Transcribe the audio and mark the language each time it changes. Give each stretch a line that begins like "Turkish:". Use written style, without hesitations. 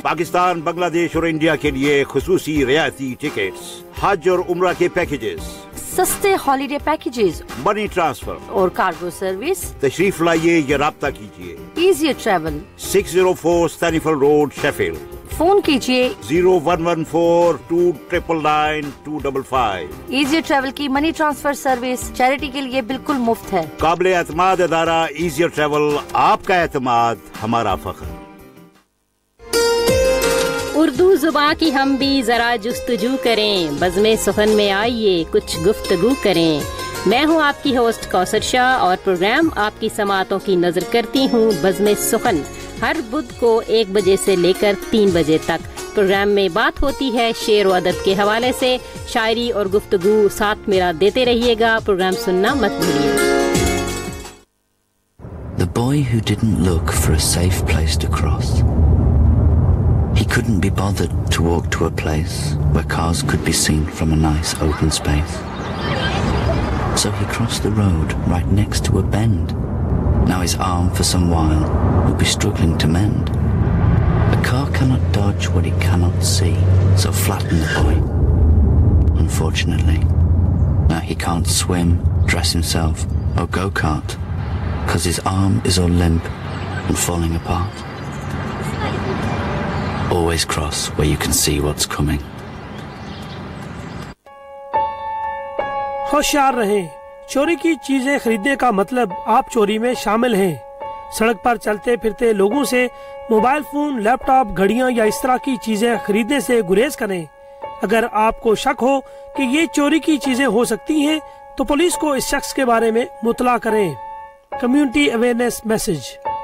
Hindi: पाकिस्तान बांग्लादेश और इंडिया के लिए खसूसी रियायती टिकट्स हज और उमरा के पैकेजेस सस्ते हॉलीडे पैकेजेस मनी ट्रांसफर और कार्गो सर्विस तशरीफ लाइए या राब्ता कीजिए easy travel 604 Stanifold Road Sheffield phone कीजिए 01142999255 ईजी ट्रेवल की मनी ट्रांसफर सर्विस चैरिटी के लिए बिल्कुल मुफ्त है काबिले एतमाद अदारा ईजी ट्रेवल आपका एतमाद हमारा फख्र उर्दू जुबान की हम भी जरा जुस्तजू करें बज़्मे सुखन में आइए कुछ गुफ्तगू करें मैं हूं आपकी होस्ट कौसर शाह और प्रोग्राम आपकी समातों की नजर करती हूं बज़्मे सुखन हर बुध को 1 बजे से लेकर 3 बजे तक प्रोग्राम में बात होती है शेर व अदब के हवाले से शायरी और गुफ्तगू साथ मेरा देते रहिएगा प्रोग्राम सुनना मत भूलिए
English: The boy who didn't look for a safe place to cross He couldn't be bothered to walk to a place where cars could be seen from a nice open space. So he crossed the road right next to a bend. Now his arm for some while will be struggling to mend. A car cannot dodge what it cannot see, so flatten the boy. Unfortunately, now he can't swim, dress himself, or go-kart, because his arm is all limp and falling apart. Always cross where you can see what's coming.
Hindi: होशियार रहें। चोरी की चीजें खरीदने का मतलब आप चोरी में शामिल हैं। सड़क पर चलते फिरते लोगों से मोबाइल फोन लैपटॉप घड़ियां या इस तरह की चीजें खरीदने से गुरेज करें अगर आपको शक हो कि ये चोरी की चीजें हो सकती हैं, तो पुलिस को इस शख्स के बारे में मुतला करें कम्युनिटी अवेयरनेस मैसेज